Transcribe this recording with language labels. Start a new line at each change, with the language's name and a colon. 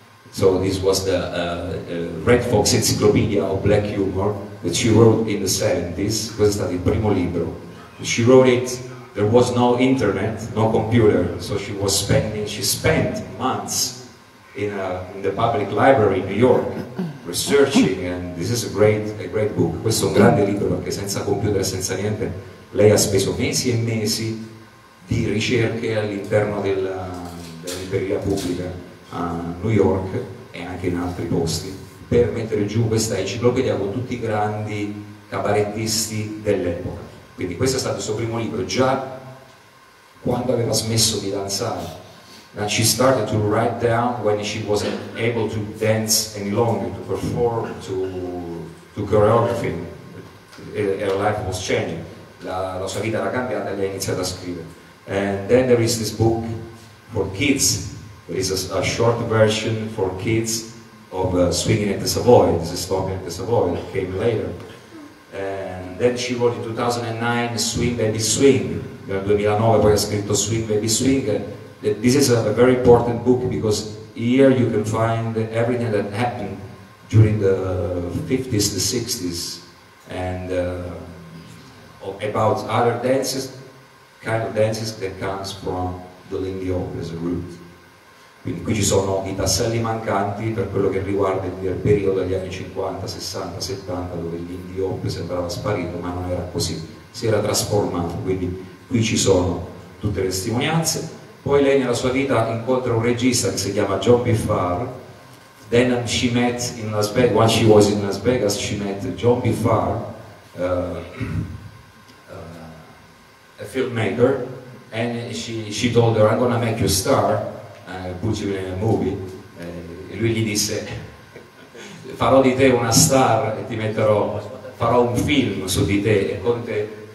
English: So this was the Red Fox Encyclopedia of Black Humor that she wrote in the 70s.
Italian: Questo è stato il primo libro.
English: She wrote it, there was no internet, no computer, so she spent months in the public library in New York researching, and this is a great book.
Italian: Questo è un grande libro, perché senza computer, senza niente, lei ha speso mesi e mesi di ricerche all'interno della libreria pubblica a New York e anche in altri posti, per mettere giù questa enciclopedia con tutti i grandi cabarettisti dell'epoca. Quindi questo è stato il suo primo libro, già quando aveva smesso di danzare.
English: Now she started to write down when she wasn't able to dance any longer, to perform, to choreography. Her life was changing.
Italian: La sua vita era cambiata e lei ha iniziato a scrivere.
English: And then there is this book for kids. It's a short version for kids of Swinging at the Savoy. This is Swinging at the Savoy, that came later. And then she wrote in 2009 Swing Baby Swing.
Italian: Nel 2009 poi ha scritto Swing Baby Swing.
English: This is a very important book because here you can find everything that happened during the 50s, the 60s, and about other dances, kind of dances that comes from the Lindy Hop as a root.
Italian: Quindi qui ci sono i tasselli mancanti per quello che riguarda il periodo degli anni 50, 60, 70, dove l'Indy Hop sembrava sparito, ma non era così, si era trasformato. Quindi qui ci sono tutte le testimonianze. Poi lei nella sua vita incontra un regista che si chiama John Biffard.
English: Then she met in Las Vegas, while she was in Las Vegas, she met John Biffard, a filmmaker, and she told her, I'm gonna make you a star. Put you in a movie,
Italian: e lui gli disse: farò di te una star e ti metterò, farò un film su di te e con te.